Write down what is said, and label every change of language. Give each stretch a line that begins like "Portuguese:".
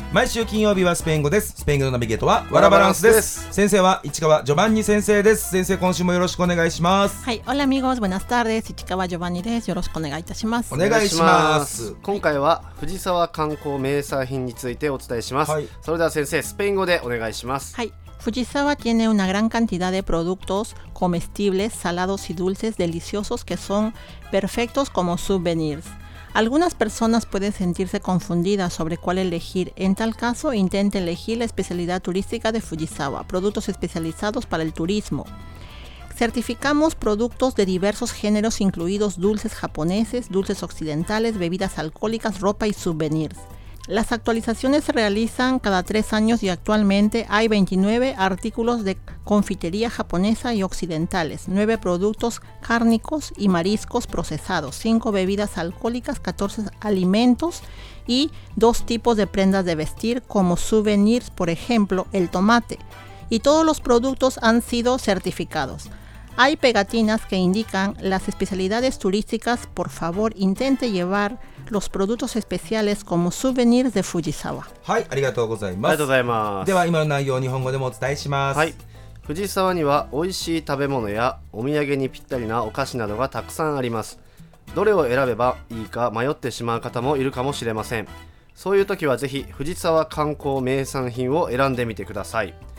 Japanese: 毎週金曜日はスペイン語です。スペイン語のナビゲートはワラバランスです。先生は市川ジョバンニ先生です。先生今週もよろしくお願いします。はい、オラミゴーズブナスタールです。市川ジョバンニです。よろしくお願いいたします。お願いします。今回は藤沢観光名産品についてお伝えします。はい、それでは先生スペイン語でお願いします。
Spanish: はい、Fujisawa tiene una gran cantidad de productos comestibles, salados y dulces deliciosos que son perfectos como souvenirs. Algunas personas pueden sentirse confundidas sobre cuál elegir. En tal caso, intente elegir la especialidad turística de Fujisawa, productos especializados para el turismo. Certificamos productos de diversos géneros, incluidos dulces japoneses, dulces occidentales, bebidas alcohólicas, ropa y souvenirs. Las actualizaciones se realizan cada 3 años y actualmente hay 29 artículos de confitería japonesa y occidentales, 9 productos cárnicos y mariscos procesados, 5 bebidas alcohólicas, 14 alimentos y 2 tipos de prendas de vestir como souvenirs, por ejemplo, el tomate. Y todos los productos han sido certificados. Hay pegatinas que indican las especialidades turísticas. Por favor, intente llevarLos productos especiales como souvenirs de Fujisawa.
Japanese: はい、ありがとうございます。ありがとうございます。では今の内容を日本語でもお伝えします。はい。藤沢には美味しい食べ物やお土産にぴったりなお菓子などがたくさんあります。どれを選べばいいか迷ってしまう方もいるかもしれません。そういう時はぜひ藤沢観光名産品を選んでみてください。